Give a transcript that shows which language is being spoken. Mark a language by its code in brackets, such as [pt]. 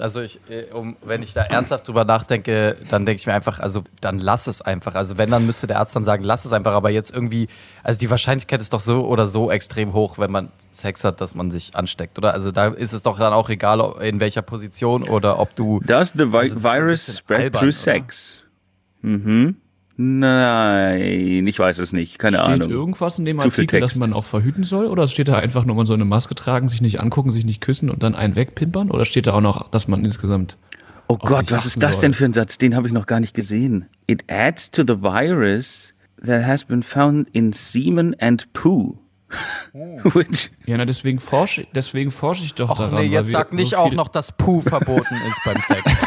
[de] Also ich, wenn ich da ernsthaft drüber nachdenke, dann denke ich mir einfach, also dann lass es einfach. Also wenn, dann müsste der Arzt dann sagen, lass es einfach. Aber jetzt irgendwie, also die Wahrscheinlichkeit ist doch so oder so extrem hoch, wenn man Sex hat, dass man sich ansteckt, oder? Also da ist es doch dann auch egal, in welcher Position oder ob du... [en] Does the virus spread albern, through sex? [de] Oder? Nein, ich weiß es nicht, keine steht Ahnung. Steht irgendwas in dem Artikel, dass man auch verhüten soll? Oder steht da einfach nur, man soll eine Maske tragen, sich nicht angucken, sich nicht küssen und dann einen wegpimpern? Oder steht da auch noch, dass man insgesamt... Oh Gott, was ist das soll? Denn für ein Satz? Den habe ich noch gar nicht gesehen. [en] It adds to the virus that has been found in semen and poo. Which? [de] Ja, na, deswegen forsche ich doch Och, daran. Och nee, jetzt sag nicht so auch noch, dass Poo verboten ist beim Sex.